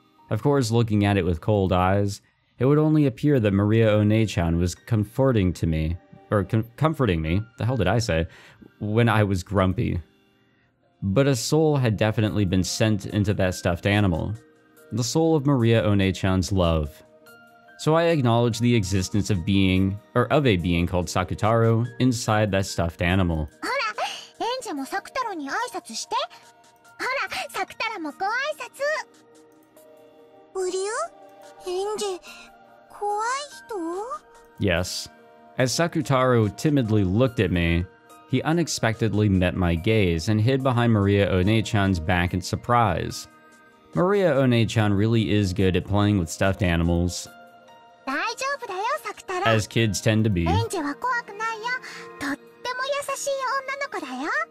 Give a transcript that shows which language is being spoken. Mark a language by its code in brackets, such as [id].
[en] Of course, looking at it with cold eyes, it would only appear that Maria One-chan was comforting to me, or comforting me, the hell did I say, when I was grumpy. But a soul had definitely been sent into that stuffed animal, the soul of Maria One-chan's love. So I acknowledge the existence of being, or of a being called Sakutaro, inside that stuffed animal. [ja] Hola, Ange mo Sakutaro ni aisatsu shite. ほら、サクタラもご挨拶。ウリュウ？エンジェ、怖い人？ [en] Yes. As Sakutaro timidly looked at me, he unexpectedly met my gaze and hid behind Maria One-chan's back in surprise. Maria One-chan really is good at playing with stuffed animals. [ja] 大丈夫だよ、サクタラ。 [en] As kids tend to be. [ja] エンジェは怖くないよ。とっても優しい女の子だよ。